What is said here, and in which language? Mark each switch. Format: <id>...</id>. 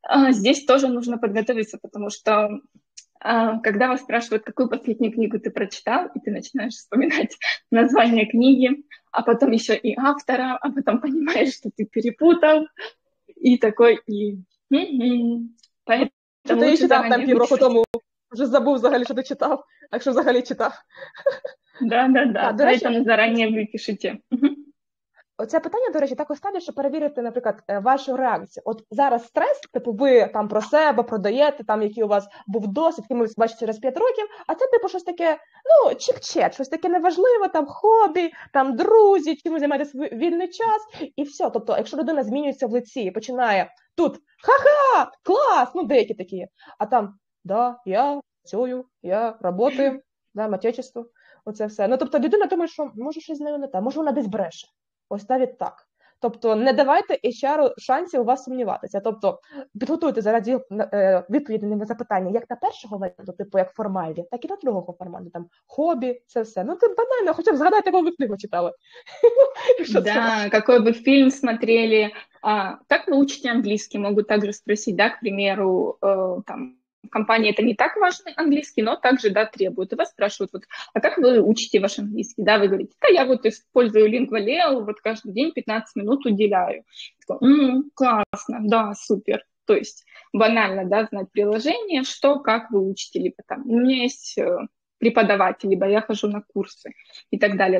<ru>Здесь тоже нужно подготовиться, потому что когда вас спрашивают, какую последнюю книгу ты прочитал, и ты начинаешь вспоминать название книги, а потом еще и автора, а потом понимаешь, что ты перепутал, и такой, и... Поэтому ты читал там</ru> <uk>півроку тому,</uk> <ru>уже забыл взагалі, что ты читал, а что взагалі читал. Да, поэтому заранее выпишите.</ru> <uk>Оце питання, до речі, так оставлю, щоб перевірити, наприклад, вашу реакцію. От зараз стрес, типу, ви там про себе продаєте, там, який у вас був досвід, який ви бачите через 5 років, а це, типу, щось таке, ну, чик-чет, щось таке неважливе, там, хобі, там, друзі, чим ви займаєте свій вільний час, і все. Тобто, якщо людина змінюється в лиці і починає тут, ха-ха, клас, ну, деякі такі, а там, да, я працюю, я роботаю, да, матечество, оце все. Ну, тобто, людина думає, що може щось з нею не так, може вона десь бреше. Оставіть так. Тобто не давайте HR шансів у вас сумніватися. Тобто підготуйте зараз відповіді на запитання як на першого варіанту, типу як формальні, так і на другого формату, там хобі, це все. Ну, це банально, хоча б згадайте, яку ви книгу читали. Так, який би фільм смотрели. Як ви вчите англійський? Можу також</uk> <ru>спросити, да, к примеру, там, в компании это не так важный английский, но также, да, требуют. И вас спрашивают, вот, а как вы учите ваш английский? Да, вы говорите, да, я вот использую LingvaLeo, вот каждый день 15 минут уделяю. Такой, классно, да, супер. То есть банально, да, знать приложение, что, как вы учите, либо там у меня есть преподаватель, либо я хожу на курсы и так далее.</ru>